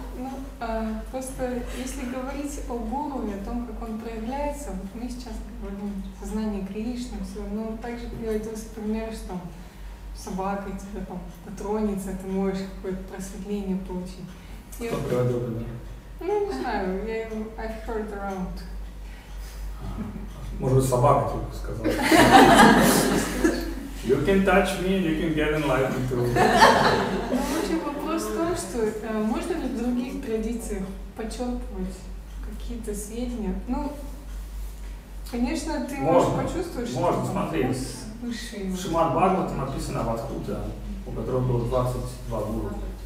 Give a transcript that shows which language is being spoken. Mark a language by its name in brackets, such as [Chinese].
[Russian] Ну, просто если говорить о Гуру и о том, как он проявляется, вот мы сейчас говорим о знании Кришны, все, но также приводился пример, что собака тебя там потронется, ты можешь какое-то просветление получить. Кто приводил пример? Ну, не знаю, я его... [English] I've heard around. [Russian] Может быть, собака тебе сказала? [English] You can touch me and you can get enlightened too. [Russian] Ну, в общем, вопрос в том, что можно ли в других традициях подчеркивать какие-то сведения? Ну, конечно, ты можешь почувствовать, что... Можно, смотри. Выше. В Шримад Бхагаватам написано Аватхута, у которого было 22 гуру.